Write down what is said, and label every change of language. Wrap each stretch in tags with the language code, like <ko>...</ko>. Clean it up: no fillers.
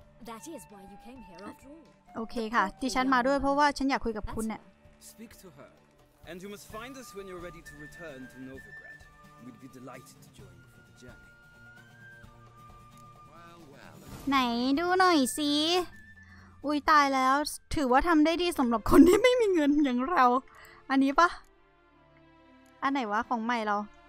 <en>That is why you came here after all.</en> <th>Okay, ค่ะ ดิฉันมาด้วยเพราะว่าฉันอยากคุยกับคุณเนี่ย</th> <en>Speak to her. And you must find us when you're ready to return to Novigrad. We'd be delighted to join you for the journey. Well.</en> <th>ไหนดูหน่อยสิอุ๊ยตายแล้วถือว่าทําได้ดีสําหรับคนที่ไม่มีเงินอย่างเราอันนี้ปะอันไหนวะของใหม่เรา</th>